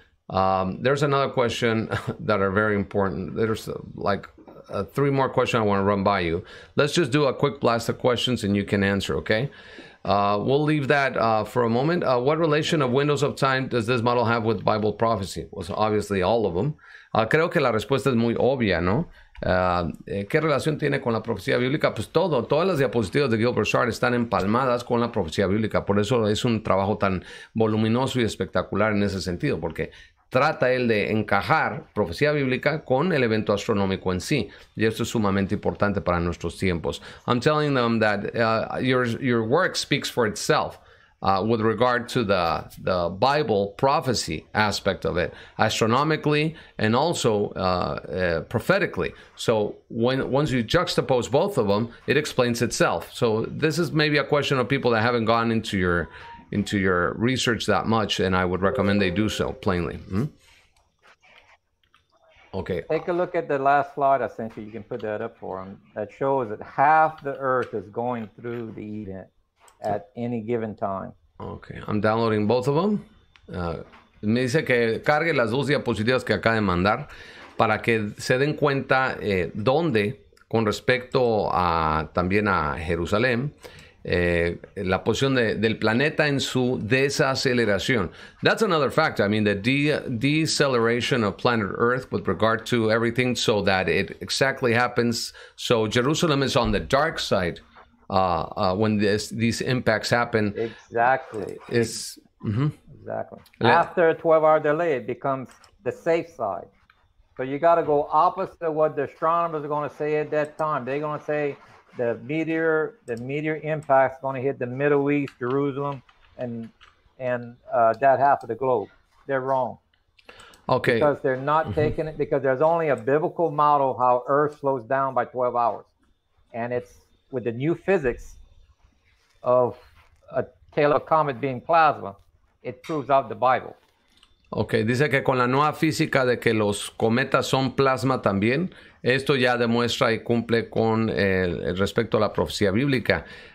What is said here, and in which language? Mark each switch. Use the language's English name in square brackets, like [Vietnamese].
[English] There's another question that are very important. There's like 3 more questions I want to run by you. Let's just do a quick blast of questions and you can answer, okay? We'll leave that for a moment. What relation of windows of time does this model have with Bible prophecy? Well, obviously all of them. [Spanish] Creo que la respuesta es muy obvia, ¿no? ¿Qué relación tiene con la profecía bíblica? Pues todo, todas las diapositivas de Gilbert Shard están empalmadas con la profecía bíblica. Por eso es un trabajo tan voluminoso y espectacular en ese sentido, porque trata él de encajar profecía bíblica con el evento astronómico en sí. Y esto es sumamente importante para nuestros tiempos. [English] I'm telling them that your work speaks for itself. With regard to the Bible prophecy aspect of it, astronomically and also prophetically. So once you juxtapose both of them, it explains itself. So this is maybe a question of people that haven't gone into your research that much, and I would recommend they do so, plainly. Okay. Take a look at the last slide I sent you. You can put that up for them. That shows that half the Earth is going through the event at any given time. Okay, I'm downloading both of them. [Spanish] Me dice que cargue las dos diapositivas que acaba de mandar para que se den cuenta dónde, con respecto a también a Jerusalén, la posición del planeta en su desaceleración. [English] That's another factor. I mean, the deceleration of planet Earth with regard to everything, so that it exactly happens. So Jerusalem is on the dark side. When these impacts happen. Exactly. It's, exactly. After a 12-hour delay, it becomes the safe side. So you got to go opposite of what the astronomers are going to say at that time. They're going to say the meteor impact is going to hit the Middle East, Jerusalem, and that half of the globe. They're wrong. Okay. Because they're not taking it, because there's only a biblical model how Earth slows down by 12 hours. And it's with the new physics of a tail of a comet being plasma, it proves out the Bible. [Spanish] Okay, dice que con la nueva física de que los cometas son plasma también, esto ya demuestra y cumple con el respecto a la profecía bíblica.